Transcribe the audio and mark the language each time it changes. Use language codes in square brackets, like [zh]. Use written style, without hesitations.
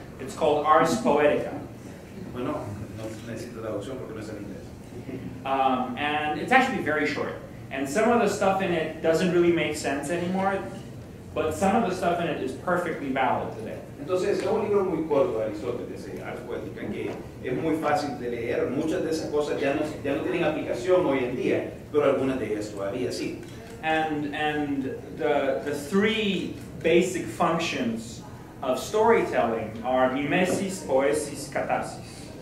[en] It's called Ars Poetica. [es] Bueno, no necesito traducción porque no es en inglés. [en] And it's actually very short. And some of the stuff in it doesn't really make sense anymore, but some of the stuff in it is perfectly valid today. [es] Entonces, es un libro muy corto de Aristóteles, Ars Poetica, que es muy fácil de leer. Muchas de esas cosas ya no tienen aplicación hoy en día, pero algunas de ellas todavía sí. [en] And the three basic functions of storytelling are mimesis, poesis, catarsis.